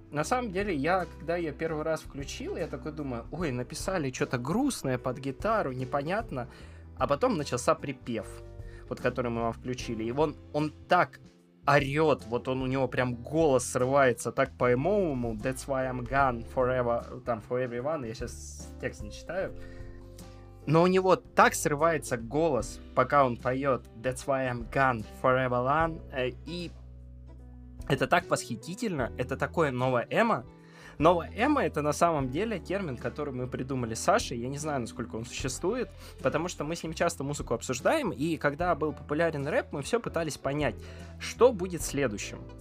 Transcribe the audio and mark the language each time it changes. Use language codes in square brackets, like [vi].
[ru] На самом деле, я, когда ее первый раз включил, я такой думаю, ой, написали что-то грустное под гитару, непонятно. А потом начался припев, вот который мы вам включили. И он так орёт, вот он, у него прям голос срывается так по-эмовому. [en] That's why I'm gone forever, [ru] там, [en] for everyone. [ru] Я сейчас текст не читаю. Но у него так срывается голос, пока он поёт [en] That's why I'm gone forever long. [ru] И это так восхитительно, это такое новое эмо. Новое эмо — это на самом деле термин, который мы придумали с Сашей. Я не знаю, насколько он существует, потому что мы с ним часто музыку обсуждаем, и когда был популярен рэп, мы все пытались понять, что будет следующим.